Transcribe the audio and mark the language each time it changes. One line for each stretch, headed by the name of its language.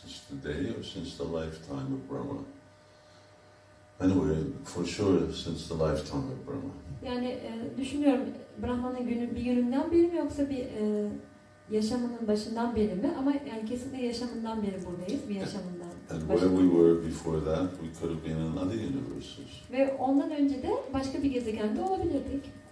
English: the day or since the lifetime of Brahma? Anyway, for sure, since the lifetime of Brahma.
Turkish: Yani düşünüyorum, Brahma'nın günü bir yönünden biri mi yoksa bir yaşamının başından biri mi? Ama yani kesinlikle yaşamından beri buradayız, bir yaşamından.
English: And where we were before that, we could have been in other universes.
Turkish: Ve ondan önce de başka bir gezegende olabilirdik.